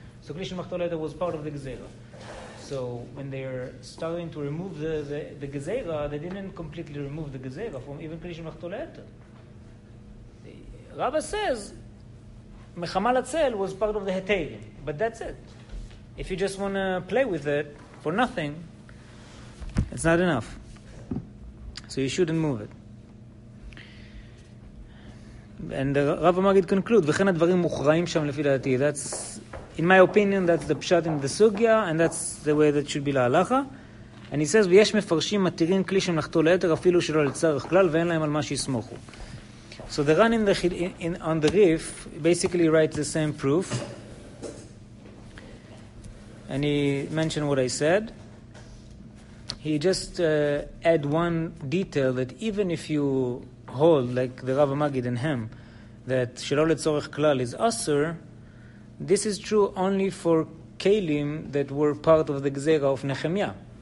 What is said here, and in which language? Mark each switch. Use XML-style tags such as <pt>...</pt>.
<en>So Klishim Machto Leder was part of the Gezeira. So when they're starting to remove the Gezeira, they didn't completely remove the Gezeira from even Klishim Machto Leder. Rabbah says, Mechamal Atzel was part of the Heter, but that's it. If you just want to play with it for nothing, it's not enough. So you shouldn't move it. And the Rav HaMagid conclude,</en> <he>וכן הדברים מוכרעים שם לפי דעתי.</he> <en>That's, in my opinion, that's the pshat in the sugya, and that's the way that should be להלכה. And he says,</en> <he>ויש מפרשים מתירים כלי שמלכתו ליתר, אפילו שלא לצרח כלל, ואין להם על מה שיסמוכו.</he> <en>So the run on the reef basically writes the same proof. And he mentioned what I said. He just add one detail that even if you hold, like the Rav HaMagid and him, that Shelo Letzorech Klal is Asur, this is true only for Kelim that were part of the Gzera of Nehemia.</en>